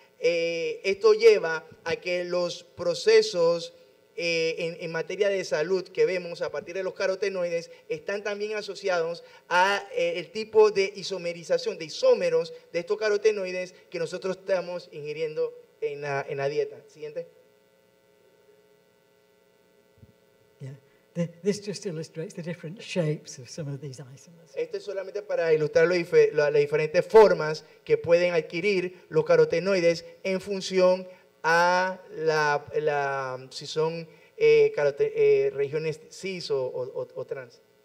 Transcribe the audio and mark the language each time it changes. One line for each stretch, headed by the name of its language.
Spanish: Esto lleva a que los procesos en materia de salud que vemos a partir de los carotenoides están también asociados a el tipo de isomerización, de isómeros de estos carotenoides que nosotros estamos ingiriendo en la dieta. Siguiente.
English: This just illustrates the different shapes of some of these isomers.
Spanish: Esto es solamente para ilustrar las diferentes formas que pueden adquirir los carotenoides en función a la si son regiones cis o trans.